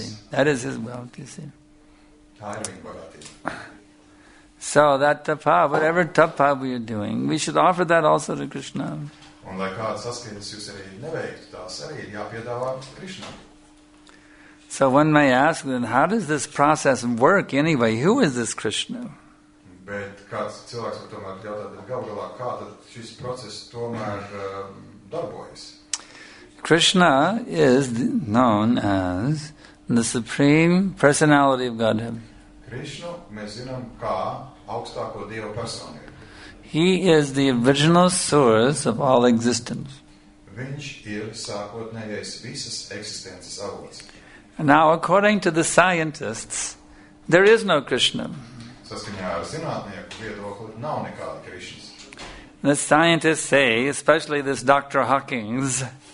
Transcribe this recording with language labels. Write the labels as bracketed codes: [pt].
[en] That is his wealth, you see. So that tapa, whatever tapa we are doing, we should offer that also to Krishna. [lv] Un lai kādas askeses jūs arī neveiktu, tās arī ir jāpiedāvā Krishna. [en] So one may ask, then how does this process work anyway? Who is this Krishna? [lv] Bet kāds cilvēks var tomēr jautāt, bet galvā, kā tad šis process tomēr darbojas? [en] Krishna is known as the Supreme Personality of Godhead. [lv] Krishna mēs zinām kā augstāko Dieva personību. [en] He is the original source of all existence. [lv] Viņš ir sākotnējais visas eksistences avots. [en] Now, according to the scientists, there is no Krishna. [lv] Saskaņā ar zinātnieku viedokli nav nekāda Krishna. [en] The scientists say, especially this Dr. Hawkings.